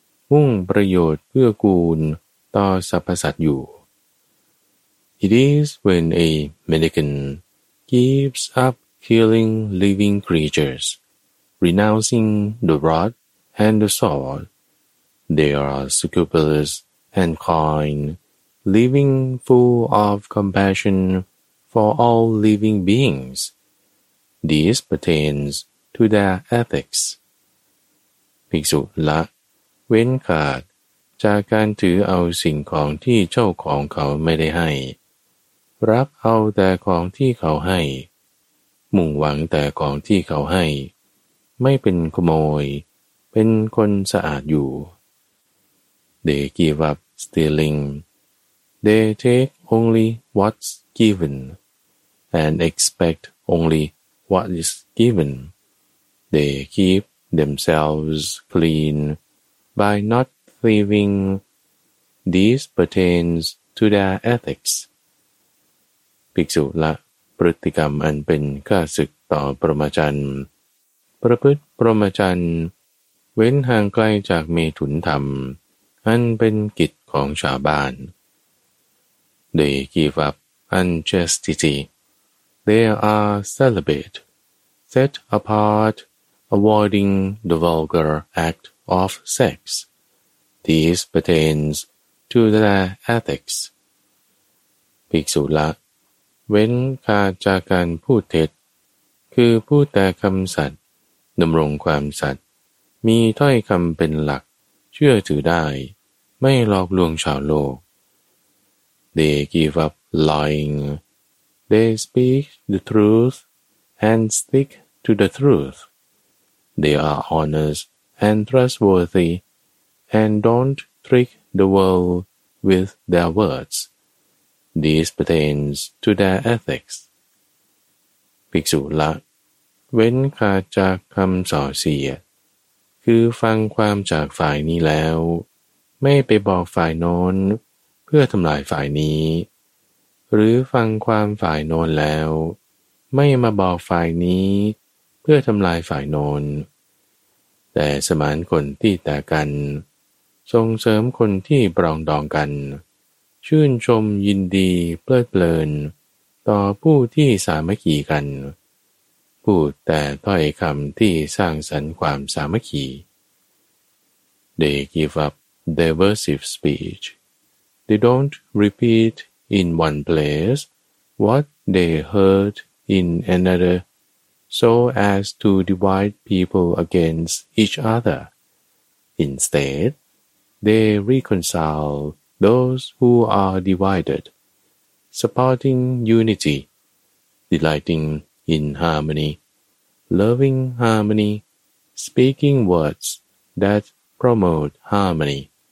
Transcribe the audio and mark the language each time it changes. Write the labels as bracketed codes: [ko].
[th] มุ่งประโยชน์เพื่อกูลต่อสรรพสัตว์อยู่ [en] It is when a mendicant gives up killing living creatures, renouncing the rod and the sword, they are scrupulous and kind, living full of compassion for all living beings. This pertains to their ethics. [th] ภิกษุละเว้นขาดจากการถือเอาสิ่งของที่เจ้าของเขาไม่ได้ให้รับเอาแต่ของที่เขาให้มุ่งหวังแต่ของที่เขาให้ไม่เป็นขโมยเป็นคนสะอาดอยู่ [en] They give up stealing. They take only what's given and expect only what is given. They keep themselves cleanby not thieving, this pertains to their ethics. [th] ภิกษุละพฤติกรรมอันเป็นข้าศึกต่อพรหมจรรย์ประพฤติพรหมจรรย์เว้นห่างไกลจากเมถุนธรรมอันเป็นกิจของชาวบ้าน [en] They give up unchastity. They are celibate, set apart, avoiding the vulgar actOf sex. This pertains to their ethics. [th] ภิกษุละเว้นขาดจากการพูดเท็จคือพูดแต่คำสัตย์ดำรงความสัตย์มีถ้อยคำเป็นหลักเชื่อถือได้ไม่หลอกลวงชาวโลก [en] They give up lying. They speak the truth and stick to the truth. They are honestand trustworthy, and don't trick the world with their words. This pertains to their ethics. [th] ภิกษุละเว้นขาดจากคำส่อเสียดคือฟังความจากฝ่ายนี้แล้วไม่ไปบอกฝ่ายโน้นเพื่อทำลายฝ่ายนี้หรือฟังความฝ่ายโน้นแล้วไม่มาบอกฝ่ายนี้เพื่อทำลายฝ่ายโน้น แต่สมานคนที่แตกกันส่งเสริมคนที่ปรองดองกันชื่นชมยินดีเพลิดเพลินต่อผู้ที่สามัคคีกันพูดแต่ถ้อยคำที่สร้างสรรค์ความสามัคคี [en] They give up diversive speech. They don't repeat in one place what they heard in anotherso as to divide people against each other. Instead, they reconcile those who are divided, supporting unity, delighting in harmony, loving harmony, speaking words that promote harmony.